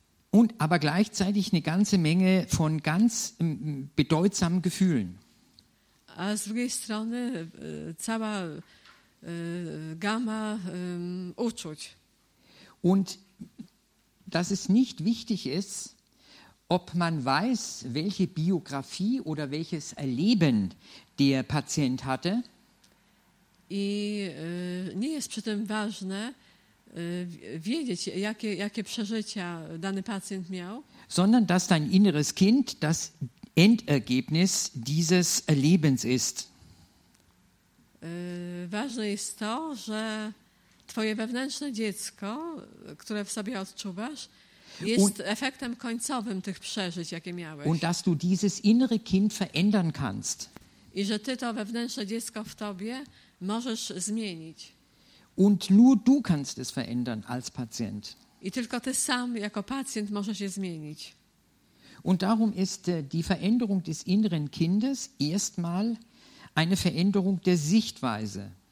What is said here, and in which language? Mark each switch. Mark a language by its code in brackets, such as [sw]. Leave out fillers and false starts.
[de] Und aber gleichzeitig eine ganze Menge von ganz bedeutsamen Gefühlen. [pl] A z drugiej strony cała gama uczuć. [de] Und dass es nicht wichtig ist, ob man weiß, welche Biografie oder welches Erleben der Patient hatte. [pl] I nie jest przy tym ważne wiedzieć, jakie przeżycia dany pacjent miał. [de] Sondern, dass dein inneres Kind das Endergebnis dieses Erlebens ist. [pl] Ważne jest to, że twoje wewnętrzne dziecko, które w sobie odczuwasz, jest efektem końcowym tych przeżyć, jakie miałeś. [de] Und dass du dieses innere Kind verändern kannst. [pl] I że ty to wewnętrzne dziecko w tobie możesz zmienić. [de] Und nur du kannst es verändern als Patient. [pl] I tylko ty sam jako pacjent możesz je zmienić. [de] Und darum ist die Veränderung des inneren Kindes erstmal eine Veränderung der Sichtweise.